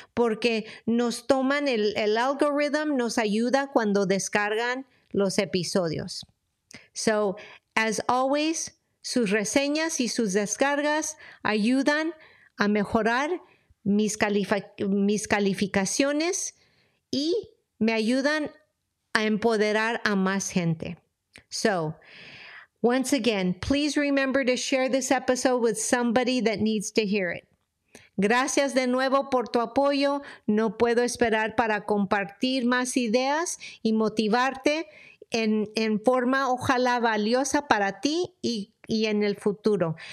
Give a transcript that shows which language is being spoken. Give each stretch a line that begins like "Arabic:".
Spanish: Porque nos toman el algorithm, nos ayuda cuando descargan los episodios.
English: So, as always,
Spanish: sus reseñas y sus descargas ayudan a mejorar mis calificaciones y me ayudan a empoderar a más gente.
English: So, once again, please remember to share this episode with somebody that needs to hear it.
Spanish: Gracias de nuevo por tu apoyo. No puedo esperar para compartir más ideas y motivarte en forma ojalá valiosa para ti y en el futuro.